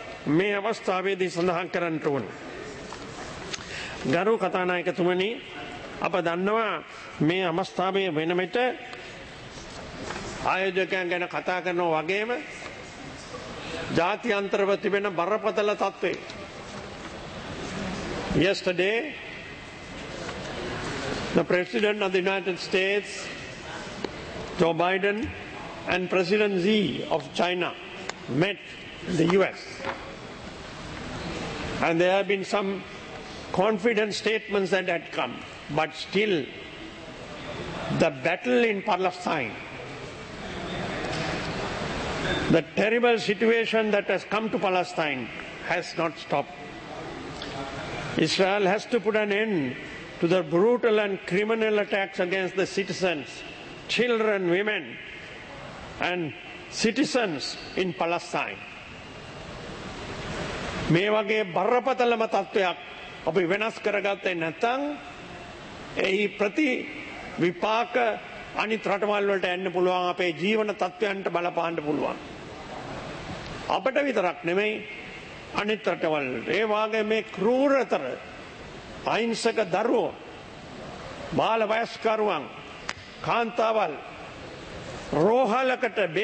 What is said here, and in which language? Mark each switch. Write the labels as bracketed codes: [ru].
[si] මේ අවස්ථාවේදී සඳහන් කරන්නට ඕන. ගරු කථානායකතුමනි, අප දන්නවා මේ අවස්ථාවේ වෙනමිට ආයෝජකයන් ගැන කතා කරනවා වගේම ජාත්‍යන්තරව තිබෙන බරපතල තත්ත්වේ. [en] Yesterday, the President of the United States, Joe Biden, and President Xi of China met the U.S. And there have been some confident statements that had come. But still, the battle in Palestine, the terrible situation that has come to Palestine, has not stopped. Israel has to put an end to the brutal and criminal attacks against the citizens, children, women, and citizens in Palestine. [si] මේ වගේ බරපතලම තත්ත්වයක් අපි වෙනස් කරගත්තේ නැත්නම් එහි ප්‍රති විපාක අනිත් රටවල් වලට යන්න පුළුවන්, අපේ ජීවන තත්ත්වයන්ට බලපාන්න පුළුවන්. අපට විතරක් නෙමෙයි අනිත් රටවල්. ඒ වගේ මේ ක්‍රූරතර අහිංසක දරුවෝ, බාල වයස්කරුවන්, කාන්තාවල් රෝහලකට